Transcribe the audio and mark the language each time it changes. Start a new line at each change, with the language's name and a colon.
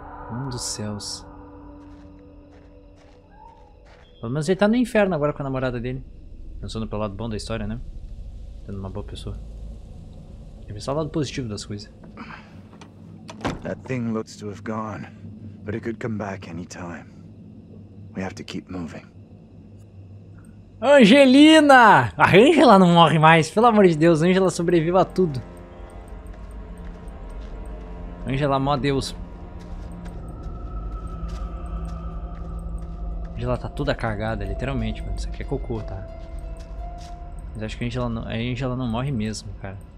Portuguese: Mano dos céus. Pelo menos ele tá no inferno agora com a namorada dele. Pensando pelo lado bom da história, né? Sendo uma boa pessoa. Tem que pensar o lado positivo das coisas.
English: That thing looks to have gone, but it could come back anytime. We have to keep moving. Angelina!
Portuguese: A Angela não morre mais, pelo amor de Deus, Angela sobrevive a tudo. Angela, mó Deus. Angela tá toda cagada, literalmente, mano. Isso aqui é cocô, tá? Mas acho que a Angela não morre mesmo, cara.